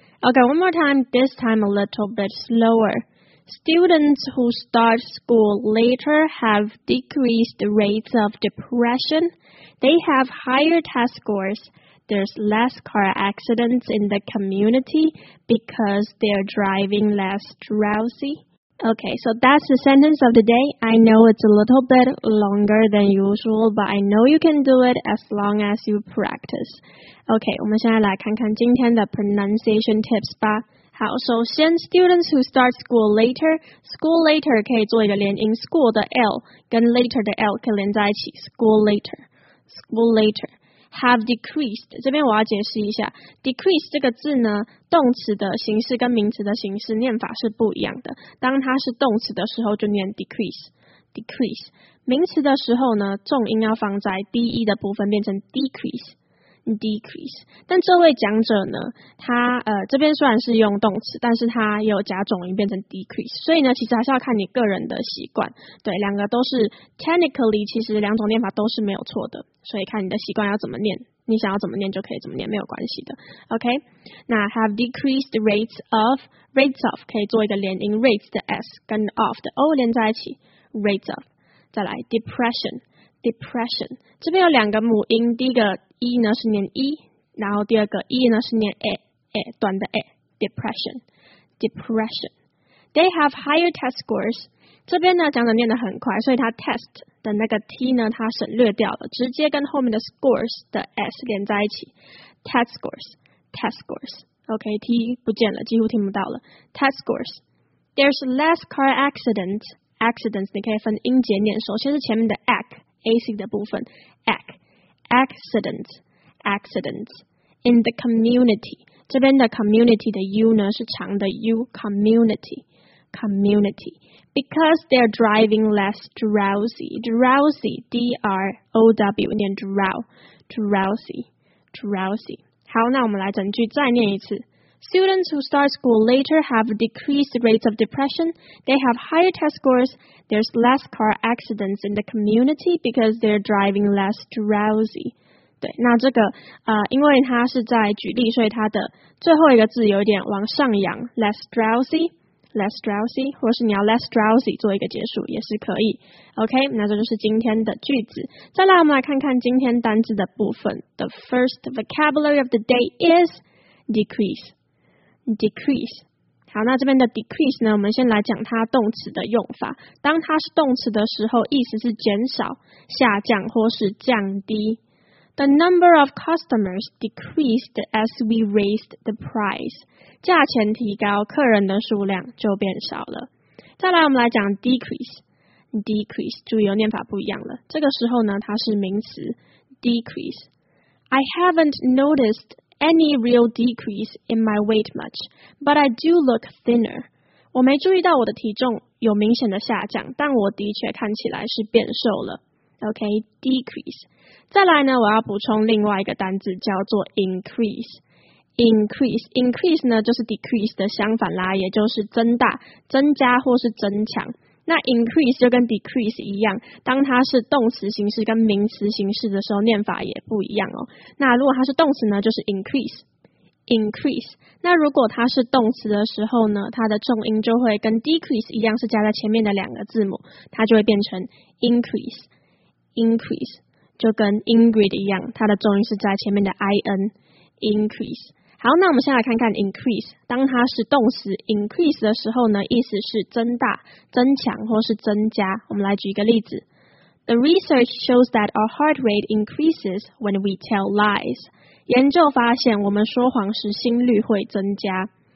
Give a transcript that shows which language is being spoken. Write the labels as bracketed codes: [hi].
[en] Okay, one more time, this time a little bit slower. Students who start school later have decreased rates of depression, they have higher test scores, there's less car accidents in the community because they're driving less drowsy. Okay, so that's the sentence of the day. I know it's a little bit longer than usual, but I know you can do it as long as you practice. [zh] Okay, 我们现在来看看今天的 pronunciation tips 吧。好，首先 [en] students who start school later, [zh] school later 可以做一个连音 school 的 L 跟 later 的 L 可以连在一起 school later, school later. [en] Have decreased, [zh] 这边我要解释一下 decrease 这个字呢，动词的形式跟名词的形式念法是不一样的，当它是动词的时候就念 decrease, decrease, 名词的时候呢，重音要放在 de 的部分变成 decrease, decrease, 但这位讲者呢，他这边虽然是用动词，但是他有加重音变成 decrease, 所以呢，其实还是要看你个人的习惯，对，两个都是 technically 其实两种念法都是没有错的，所以看你的习惯要怎么念，你想要怎么念就可以怎么念，没有关系的。 OK, 那 [en] have decreased rates of, rates of [zh] 可以做一个连音 rates 的 s 跟 of 的 o 连在一起 rates of, 再来 depression, depression 这边有两个母音，第一个 e 呢是念 e, 然后第二个 e 呢是念 a 短的 a, depression, depression, [en] they have higher test scores, [zh] 这边呢讲者念得很快，所以它 test 的那个 t 呢它省略掉了，直接跟后面的 scores 的 s 连在一起 test scores, test scores, OK, t 不见了，几乎听不到了 test scores, [en] there's less car accidents, [zh] accidents 你可以分音节念，首先是前面的 ac, ac 的部分 ac, accidents, accidents, [en] in the community, [zh] 这边的 community 的 u 呢是长的 u, communityCommunity, [en] because they're driving less drowsy, [zh] drowsy, D-R-O-W, 念 drow, drowsy, drowsy. 好，那我们来整句再念一次。 [en] Students who start school later have decreased rates of depression, they have higher test scores, there's less car accidents in the community because they're driving less drowsy. [zh] 对，那这个因为它是在举例，所以它的最后一个字有点往上扬 [en] less drowsy. Less drowsy, [zh] 或是你要 less drowsy 做一个结束也是可以。 OK, 那这就是今天的句子。再来我们来看看今天单字的部分。 [en] The first vocabulary of the day is decrease. Decrease. [zh] 好，那这边的 decrease 呢，我们先来讲它动词的用法。当它是动词的时候，意思是减少、下降或是降低。 [en] The number of customers decreased as we raised the price. [zh] 价钱提高，客人的数量就变少了。再来我们来讲 decrease, decrease, 注意有念法不一样了。这个时候呢它是名词 [en] decrease. I haven't noticed any real decrease in my weight much, but I do look thinner. [zh] 我没注意到我的体重有明显的下降，但我的确看起来是变瘦了。 [en] OK, decrease. [zh] 再来呢，我要补充另外一个单字叫做 increase。 Increase 呢就是 decrease 的相反啦，也就是增大、增加或是增强。那 increase 就跟 decrease 一样，当它是动词形式跟名词形式的时候，念法也不一样哦。那如果它是动词呢，就是 increase。那如果它是动词的时候呢，它的重音就会跟 decrease 一样，是加在前面的两个字母，它就会变成 increase。 increase 就跟 Ingrid 一样，它的重音是在前面的 in。increase。好，那我们先来看看 increase。当它是动词 increase 的时候呢，意思是增大、增强或是增加。我们来举一个例子 [en] ：The research shows that our heart rate increases when we tell lies。 [zh] 研究发现，我们说谎时心率会增加。